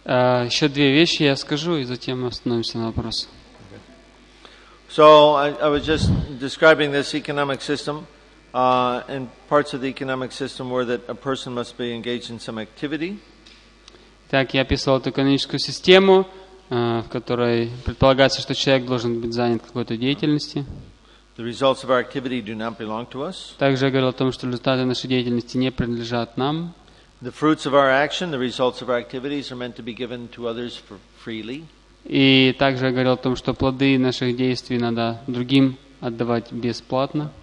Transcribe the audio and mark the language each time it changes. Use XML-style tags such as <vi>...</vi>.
<ru>Еще две вещи я скажу и затем остановимся на вопрос.</ru> <en>So I was just describing this economic system. And parts of the economic system were that a person must be engaged in some activity.</en> <ru>Так я описывал эту экономическую систему, в которой предполагается, что человек должен быть занят какой-то деятельностью.</ru> <en>The results of our activity do not belong to us.</en> <ru>Также я говорил о том, что результаты нашей деятельности не принадлежат нам.</ru> <en>The fruits of our action, the results of our activities are meant to be given to others freely.</en> <ru>И также я говорил о том, что плоды наших действий надо другим отдавать бесплатно.</ru>